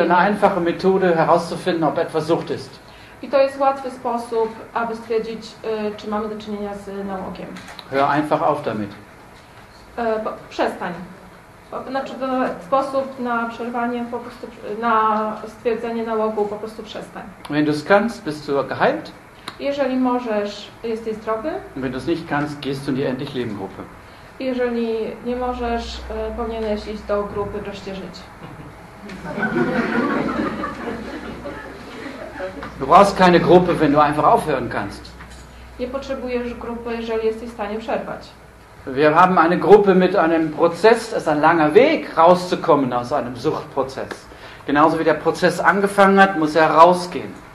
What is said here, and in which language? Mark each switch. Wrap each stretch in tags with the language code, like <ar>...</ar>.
<de>Es gibt eine einfache Methode herauszufinden, ob etwas Sucht ist.</de> <pl>I to jest łatwy sposób, aby stwierdzić, czy mamy do czynienia z nałogiem.</pl> <de>Hör einfach auf damit.</de> <pl>Przestań. Znaczy, to sposób na przerwanie, po prostu na stwierdzenie nałogu, po prostu przestań.</pl> <de>Wenn du es kannst, bist du geheilt.</de> <pl>Jeżeli możesz, jesteś zdrowy.</pl> <de>Wenn du es nicht kannst, gehst du in die Endlich-Leben-Gruppe.</de> <pl>Jeżeli nie możesz, powinieneś iść do grupy Wreszcie Żyć.</pl> <de>Du brauchst keine Gruppe, wenn du einfach aufhören kannst.</de> <pl>Nie potrzebujesz grupy, jeżeli jesteś w stanie przerwać.</pl> <de>Wir haben eine Gruppe mit einem Prozess, es ist ein langer Weg, rauszukommen aus einem Suchtprozess. Genauso wie der Prozess angefangen hat, muss er rausgehen.</de>